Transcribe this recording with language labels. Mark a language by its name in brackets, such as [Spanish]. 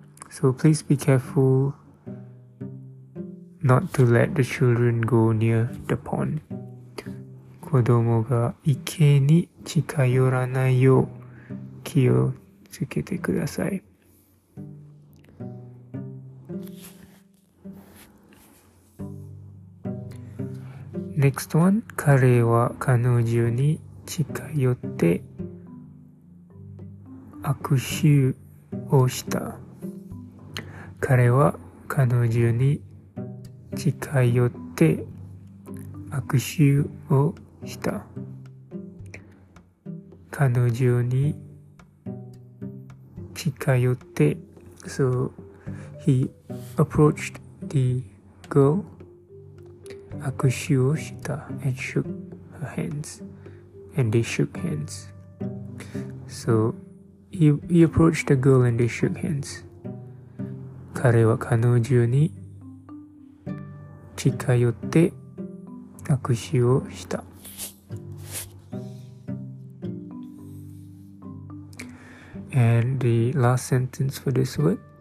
[English] So please be careful not to let the children go near the pond. [Japanese] 子供が池に近寄らないよう気をつけてください。 [English] Next one, [Japanese] 彼は彼女に近寄って握手をした。彼は彼女に近寄って握手をした。彼女に近寄って、 [English] so he approached the girl. [Japanese] 握手をした [English] and shook her hands and they shook hands. So he approached the girl and they shook hands. [Japanese] 彼は彼女に近寄って握手をした。 [English] And the last sentence for this word.